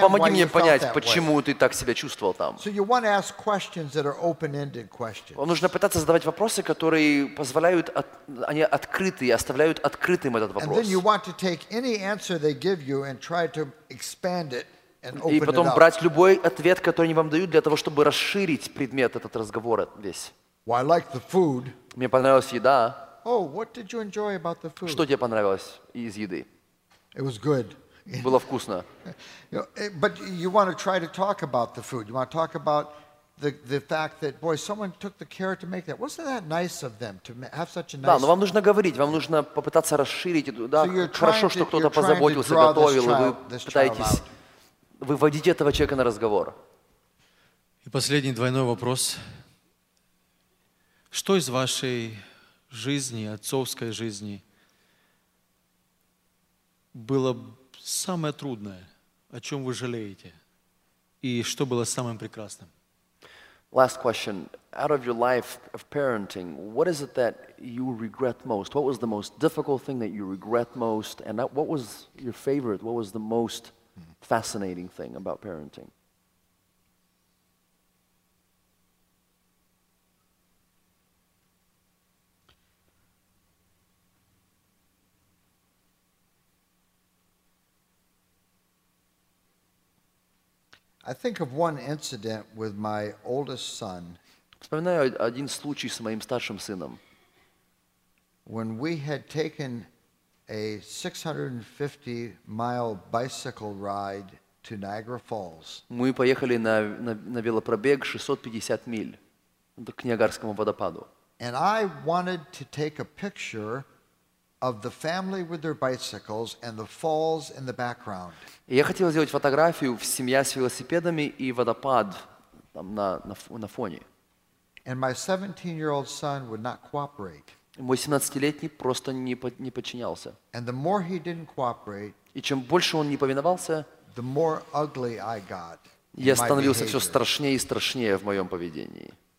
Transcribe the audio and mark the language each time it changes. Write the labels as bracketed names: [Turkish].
[Russian] Помоги мне понять, почему ты так себя чувствовал там. [English] So you want to ask questions that are open-ended questions. [Russian] Вам нужно пытаться задавать вопросы, которые позволяют, они открытые, оставляют открытым этот вопрос. [English] And then you want to take any answer they give you and try to expand it and open it up. [Russian] И потом брать любой ответ, который они вам дают, для того, чтобы расширить предмет этот разговор весь. [English] Well, I like the food. [Russian] Мне понравилась еда. [English] Oh, what did you enjoy about the food? [Russian] Что тебе понравилось из еды? [English] It was good. [Russian] Было вкусно. [English] You know, but you want to try to talk about the food. You want to talk about the fact that, boy, someone took the care to make that. Wasn't that nice of them to have such a nice? [Russian] Да, но вам нужно говорить, вам нужно попытаться расширить эту, да, хорошо, что кто-то позаботился, готовил, и вы пытаетесь выводить этого человека на разговор. И последний двойной вопрос. Что из вашей жизни, отцовской жизни, было самое трудное, о чем вы жалеете, и что было самым прекрасным? [English] Last question. Out of your life of parenting, what is it that you regret most? What was the most difficult thing that you regret most? And what was your favorite? What was the most fascinating thing about parenting? I think of one incident with my oldest son. [Russian] Вспоминаю один случай с моим старшим сыном. [English] When we had taken a 650-mile bicycle ride to Niagara Falls. [Russian] Мы поехали на велопробег 650 миль к Ниагарскому водопаду. [English] And I wanted to take a picture of the family with their bicycles and the falls in the background. [Russian] Я хотел сделать фотографию в семья с велосипедами и водопад там на фоне. [English] And my 17-year-old son would not cooperate. [Russian] Мой 17-летний просто не подчинялся. [English] And the more he didn't cooperate, [Russian] и чем больше он не повиновался, [English] the more ugly I got. [Russian] Я становился все страшнее и страшнее в моем поведении.